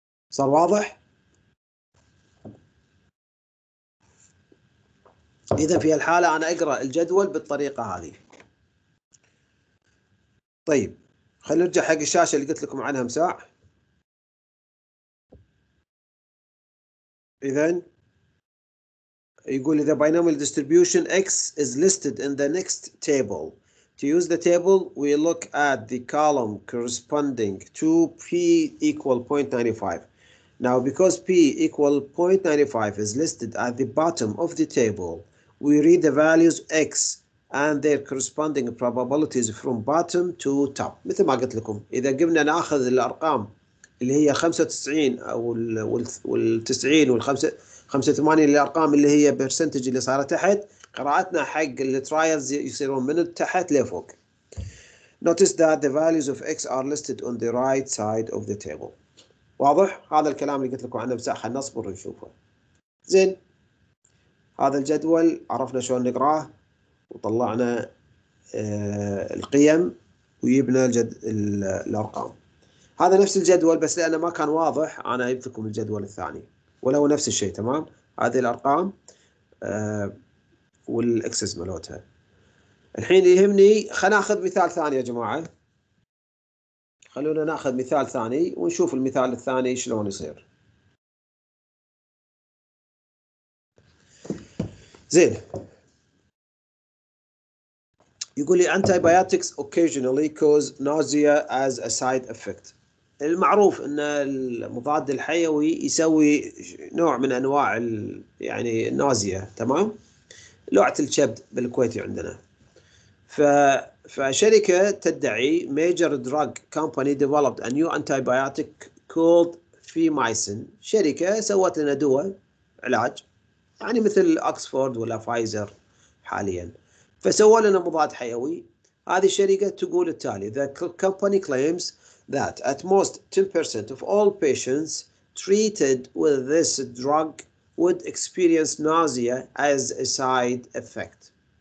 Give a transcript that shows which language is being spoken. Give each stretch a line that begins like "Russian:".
Arabic: صار واضح؟ إذا في الحالة أنا أقرأ الجدول بالطريقة هذه. طيب خلينا نرجع حق الشاشة اللي قلت لكم عنها مساع. إذا يقول
English: the binomial distribution X is listed in the next table. To use the table, we look at the column corresponding to P equal 0.95. Now, because P equal 0.95 is listed at the bottom of the table, we read the values X and their corresponding probabilities from bottom to top.
Arabic: مثل ما قلت لكم، إذا قمنا نأخذ الأرقام اللي هي 95 أو وال 90 وال 85 الأرقام اللي هي برسنتج اللي صارت تحت، قراءتنا حق الترايلز يصيرون من تحت لفوق.
English: Notice that the values of X are listed on the right side of the table.
Arabic: واضح؟ هذا الكلام اللي قلت لكم عنه بساعة، خلنا نصبر ونشوفه. زين، هذا الجدول عرفنا شلون نقراه وطلعنا القيم ويبنى الأرقام. هذا نفس الجدول بس لأنه ما كان واضح أنا جبت لكم الجدول الثاني، ولو نفس الشيء، تمام؟ هذه الأرقام والإكسس مالتها. الحين يهمني خلنا ناخذ مثال ثاني يا جماعة. خلونا ناخذ مثال ثاني ونشوف المثال الثاني شلون يصير. زين، يقول لي
English: antibiotics occasionally cause nausea as a side effect.
Arabic: المعروف ان المضاد الحيوي يسوي نوع من انواع يعني النازية، تمام، لوعة الكبد بالكويتي عندنا. فشركة تدعي
English: major drug company developed a new antibiotic called فيمايسن.
Arabic: شركة سوت لنا دواء علاج يعني مثل أكسفورد ولا فايزر حاليا، فسوى لنا مضاد حيوي. هذه الشركة تقول التالي:
English: the company claims that at most 10% of all patients treated with this drug would experience nausea as a side effect.